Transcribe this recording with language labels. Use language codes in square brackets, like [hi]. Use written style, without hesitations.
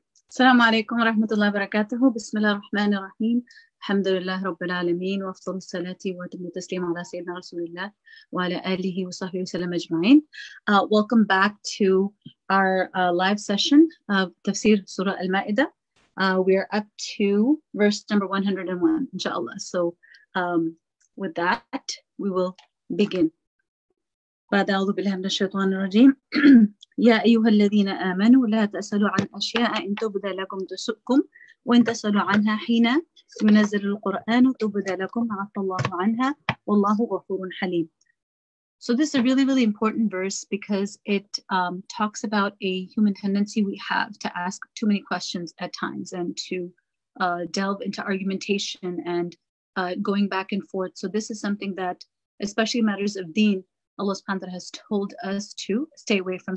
[ar] السلام عليكم ورحمة الله وبركاته. بسم الله الرحمن الرحيم. الحمد لله رب العالمين، وأفضل الصلاة وأتم التسليم على سيدنا رسول الله وعلى آله وصحبه وسلم أجمعين. [en] Welcome back to our live session of [ar] تفسير سورة المائدة. [en] We are up to verse number 101 إن شاء الله. So with that, we will begin. [ar] بعد أعوذ بالله من الشيطان الرجيم. يا أيها الذين آمنوا لا تسألوا عن أشياء إن تبدى لكم تسؤكم وإن تسألوا عنها حين منزل القرآن تبدى لكم عفى الله عنها والله غفور حليم. [en] So this is a really, really important verse because it talks about a human tendency we have to ask too many questions at times and to delve into argumentation and going back and forth. So this is something that, especially matters of deen, Allah subhanahu wa ta'ala has told us to stay away from.